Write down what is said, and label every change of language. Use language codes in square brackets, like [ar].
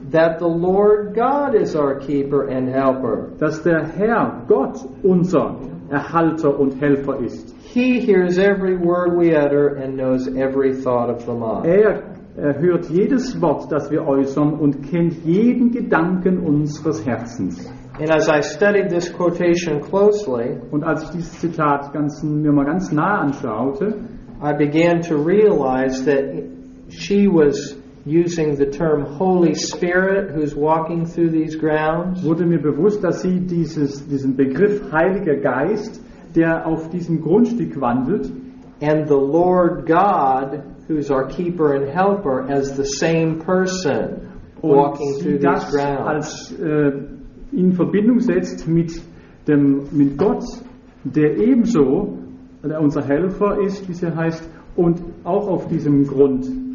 [en] That the Lord God is our keeper and helper. [de] Dass der Herr Gott unser Erhalter und Helfer ist. [en] He hears every word we utter and knows every thought of the mind. [de] Er hört jedes Wort, das wir äußern und kennt jeden Gedanken unseres Herzens. [en] And as I studied this quotation closely, [de] und als ich dieses Zitat ganz nah anschaute, [en] I began to realize that she was using the term Holy Spirit, who's walking through these grounds. [de] Wurde mir bewusst, dass sie diesen Begriff Heiliger Geist, der auf diesem Grundstück wandelt, [en] and the Lord God, who's our keeper and helper, as the same person walking through these grounds. [de] Und sie das in Verbindung setzt mit Gott, der ebenso unser Helfer ist, wie sie heißt, und auch auf diesem Grund